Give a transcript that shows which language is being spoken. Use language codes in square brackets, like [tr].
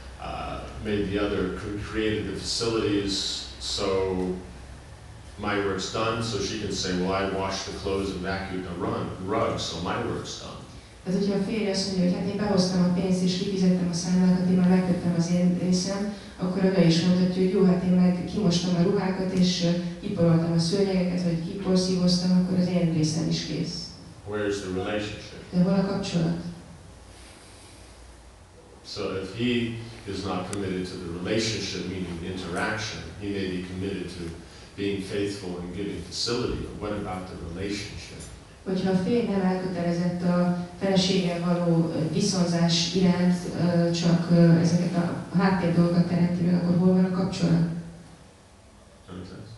[en] I made the money, created the facilities, so my work's done, so she can say, well, I washed the clothes and vacuumed the rug, so my work's done. [hu] Ez ugye a férj azt mondja, hogy hát én behoztam a pénzt és kifizettem a számlákat, én már megtettem az én részem, akkor ő is mondhatja, hogy jó, hát én meg kimostam a ruhákat és kiporoltam a szőnyegeket, vagy kiporszívoztam, akkor az én részem is kész. [en] Where is the relationship? [hu] De hol a kapcsolat? [en] So if he is not committed to the relationship, meaning the interaction, he may be committed to being faithful and giving facility, but what about the relationship? [hu] Hogyha a férj nem elkötelezett a feleséggel való viszonzás iránt, csak ezeket a háttér dolgokat teremti meg, akkor hol van a kapcsolat? Értem, de megvan a kapcsolat, hanem nem tudja